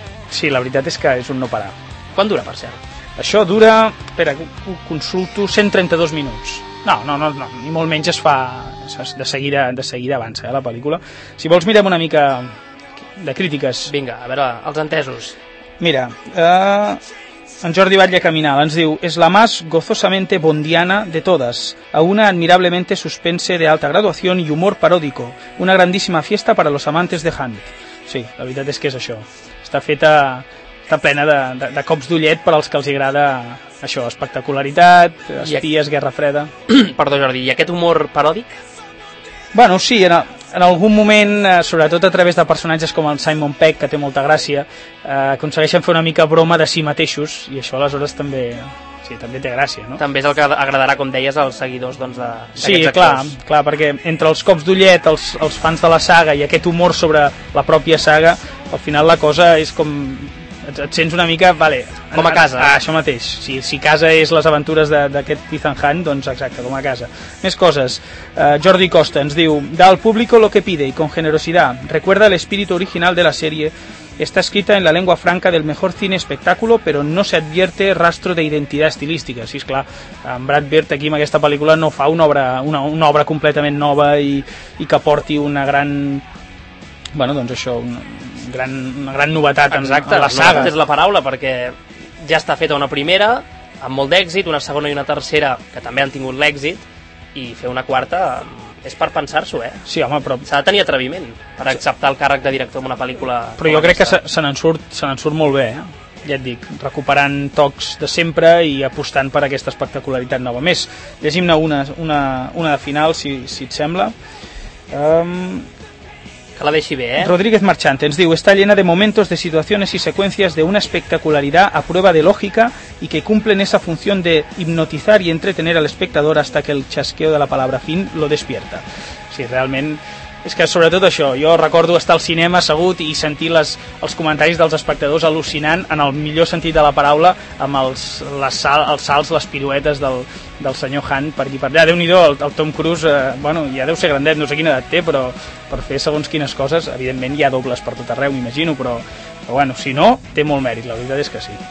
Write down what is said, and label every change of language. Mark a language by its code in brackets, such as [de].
[ca] Sí, la veritat és que és un no parar. Quant dura, per cert? Això dura, espera, ho consulto, 132 minuts. No, ni molt menys es fa de seguida avança, la pel·lícula. Si vols mirem una mica de crítiques. Vinga, a veure, els entesos. Mira, en Jordi Batlle Caminal ens diu: [es] "Es la más gozosamente bondiana de todas, a una admirablemente suspense de alta graduación y humor paródico, una grandísima fiesta para los amantes de Hunt." [ca] Sí, la veritat és que és això. Està plena de cops d'ullet per als que els agrada això, espectacularitat, espies, guerra freda. Perdó, Jordi, i aquest humor paròdic? Bueno, sí, en algun moment, sobretot a través de personatges com el Simon Pegg, que té molta gràcia, aconsegueixen fer una mica broma de si mateixos, i això aleshores també, sí, també té gràcia, no? També és el que agradarà, com deies, als seguidors, doncs, d'aquests actors. Sí, clar, perquè entre els cops d'ullet, els fans de la saga i aquest humor sobre la pròpia saga, al final la cosa és com... Et sents una mica, vale, com a casa. Això mateix, si casa és les aventures d'aquest Ethan Hunt, doncs exacte, com a casa. Més coses. [es] Jordi Costa [ca] ens diu: [es] "Da al público lo que pide y con generosidad. Recuerda el espíritu original de la serie. Está escrita en la lengua franca del mejor cine espectáculo, pero no se advierte rastro de identidad estilística." [ca] Sí, esclar, en Brad Bird aquí en aquesta pel·lícula no fa una obra completament nova i que porti una gran... Bueno, doncs això, una gran novetat. Exacte, en la saga. Exacte, és la paraula, perquè ja està feta una primera amb molt d'èxit, una segona i una tercera que també han tingut l'èxit, i fer una quarta és per pensar-s'ho, eh? Sí, home, però... S'ha de tenir atreviment per acceptar el càrrec de director en una pel·lícula... Però jo crec que se n'en surt molt bé, eh? Ja et dic, recuperant tocs de sempre i apostant per aquesta espectacularitat nova. A més, llegim-ne una de final, si et sembla. Que la deixi bé, eh? [es] Rodríguez Marchante [ca] ens diu: [es] "Está llena de momentos, de situaciones y secuencias de una espectacularidad a prueba de lógica y que cumplen esa función de hipnotizar y entretener al espectador hasta que el chasqueo de la palabra fin lo despierta." [ca] Sí, realment, és que sobretot això, jo recordo estar al cinema assegut i sentir els comentaris dels espectadors al·lucinant, en el millor sentit de la paraula, amb les piruetes del senyor Hunt per aquí per allà. Déu-n'hi-do, el Tom Cruise, bueno, ja deu ser grandet, no sé quina edat té, però per fer segons quines coses, evidentment hi ha dobles per tot arreu, m'imagino, però bueno, si no, té molt mèrit, la veritat és que sí.